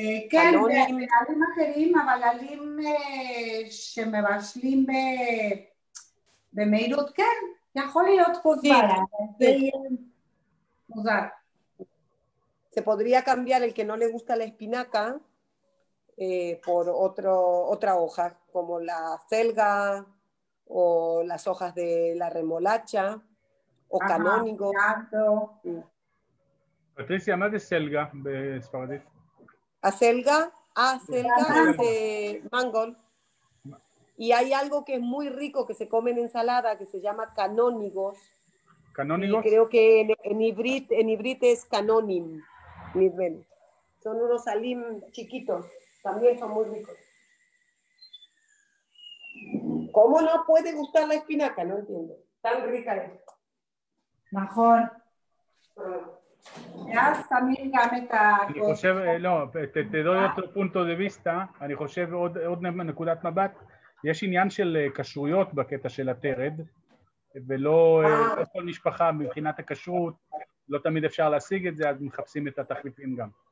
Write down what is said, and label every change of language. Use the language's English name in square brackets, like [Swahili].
[Hebrew] כן, בעלים אחרים, אבל עלים שמבשלים במהירות, כן, יכול להיות מוזר. מוזר. [Spanish] Se podría cambiar el que no le gusta la espinaca por otra hoja, como la acelga o las hojas de la remolacha o ajá, canónigo. Sí. Patricia, ¿más de acelga en español? Acelga, acelga es mangol. Y hay algo que es muy rico que se come en ensalada que se llama canónigos. ¿Canónigos? Y creo que en ibrit es canónim. Miren. Son unos alim chiquitos. También son muy ricos. ¿Cómo no puede gustar la espinaca? No entiendo. Tan rica es. Mejor. ¿Ves? También gameta. Yo creo, no, te doy otro punto de vista. Yo creo, [Hebrew] עוד נקודת מבט. יש עניין של קשרויות בקטע של הטרד, ולא כל משפחה מבחינת הקשרות, לא תמיד אפשר להשיג את זה, אז מחפשים את התחליפים גם.